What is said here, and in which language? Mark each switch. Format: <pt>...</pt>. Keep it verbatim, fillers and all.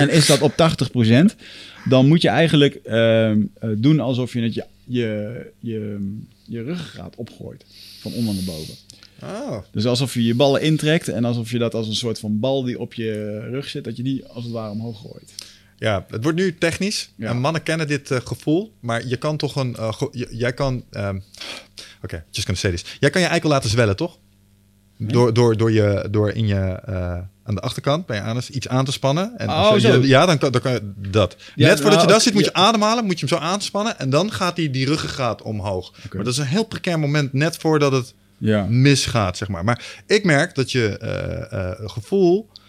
<nl>En is dat op tachtig procent, dan moet je eigenlijk uh, doen alsof je het je, je, je, je ruggengraat opgooit. Van onder naar boven. Oh. Dus alsof je je ballen intrekt en alsof je dat als een soort van bal die op je rug zit, dat je die als het ware omhoog gooit. Ja, het wordt nu technisch. Ja. En mannen kennen dit uh, gevoel, maar je kan toch een... Uh, ge- j- jij kan...</nl> <en>Um, Oké, okay, just gonna say this.</en> <nl>Jij kan je eikel laten zwellen, toch? Door, door, door, je, door in je, uh, aan de achterkant bij je anus iets aan te spannen. En oh, zo, je, ja, dan kan, dan kan je dat. Ja, net voordat nou, je dat zit, moet ja. je ademhalen, moet je hem zo aanspannen. En dan gaat die, die ruggengraat omhoog. Okay. Maar dat is een heel precair moment, net voordat het ja. misgaat, zeg maar. Maar ik merk dat je uh, uh, gevoel</nl>